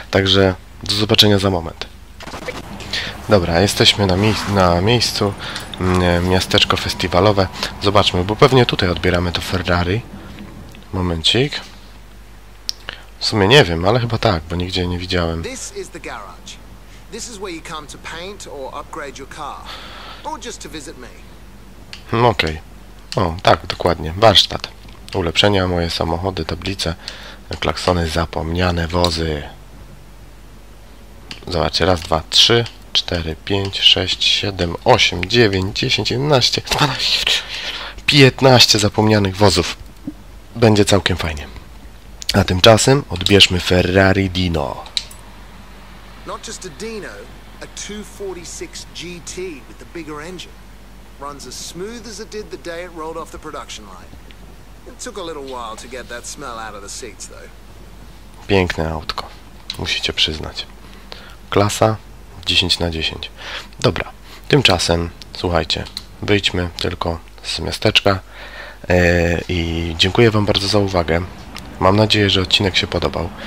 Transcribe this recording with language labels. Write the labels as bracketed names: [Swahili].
[Polish] Także do zobaczenia za moment. Dobra, jesteśmy na miejscu, miasteczko festiwalowe. Zobaczmy, bo pewnie tutaj odbieramy to Ferrari. Momencik. W sumie nie wiem, ale chyba tak, bo nigdzie nie widziałem. [English] This is the garage. This is where you come to paint or upgrade your car. Or just to visit me. [Polish] Okej. O, tak, dokładnie. Warsztat. Ulepszenia, moje samochody, tablice, klaksony, zapomniane wozy. Zobaczcie, raz, dwa, trzy, cztery, pięć, sześć, siedem, osiem, dziewięć, dziesięć, jedenaście, dwanaście, piętnaście zapomnianych wozów. Będzie całkiem fajnie. A tymczasem odbierzmy Ferrari Dino. [English] Not just a Dino, a 246 GT with the bigger engine. Runs as smooth as it did the day it rolled off the production line. It took a little while to get that smell out of the seats though. [Polish] Piękne autko, musicie przyznać. Klasa 10 na 10. Dobra, tymczasem, słuchajcie, wyjdźmy tylko z miasteczka. I dziękuję wam bardzo za uwagę. Mam nadzieję, że odcinek się podobał.